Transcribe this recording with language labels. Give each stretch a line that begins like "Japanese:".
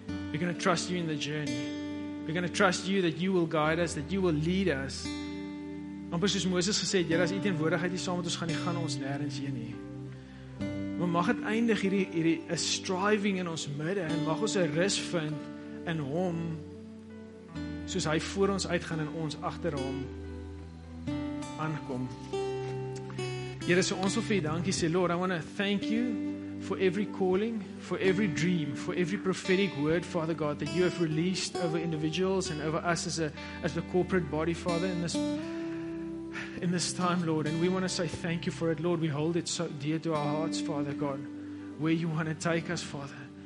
English: We're going to trust you in the journey. We're going to trust you that you will guide us, that you will lead us.
Afrikaans: Amper soos Moses gesê het, Here, as u teenwoordigheid hier saam met ons gaan, nie gaan ons nêrens heen nie. Maar mag het eindig hierdie a striving in ons midde en mag ons 'n rus vind in hom soos hy voor ons uitgaan en ons agter hom aankom. Here, so ons wil vir u dankie sê,
English: Lord, I want to thank you for every calling, for every dream, for every prophetic word, Father God, that you have released over individuals and over us as a corporate body, Father, in this time, Lord, and we want to say thank you for it, Lord. We hold it so dear to our hearts, Father God, where you want to take us, Father.